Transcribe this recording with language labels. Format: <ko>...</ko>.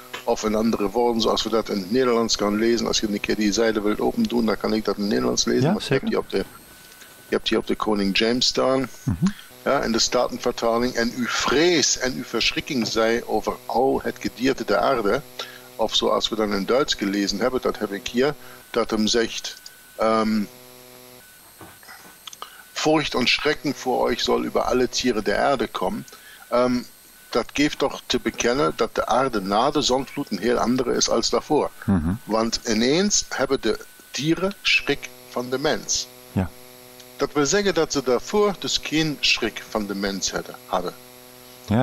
<nl>Of in andere woorden, zoals we dat in het Nederlands kan lezen. Als je een keer die zijde wilt opendoen, dan kan ik dat in het Nederlands lezen. Ja, zeker. Je hebt hier op de Koning James staan. Mm-hmm. Ja, in de Statenvertaling. En uw vrees en uw verschrikking zij over al het gedierte der aarde. Of zoals we dan in Duits gelezen hebben, dat heb ik hier. Dat hem zegt,</nl> <de>furcht und Schrecken vor euch soll über alle Tiere der Erde kommen.</de> <nl>Dat geeft toch te bekennen dat de aarde na de zondvloed een heel andere is als daarvoor. Mm-hmm. Want ineens hebben de dieren schrik van de mens. Ja. Dat wil zeggen dat ze daarvoor dus geen schrik van de mens hadden. Ja.</nl>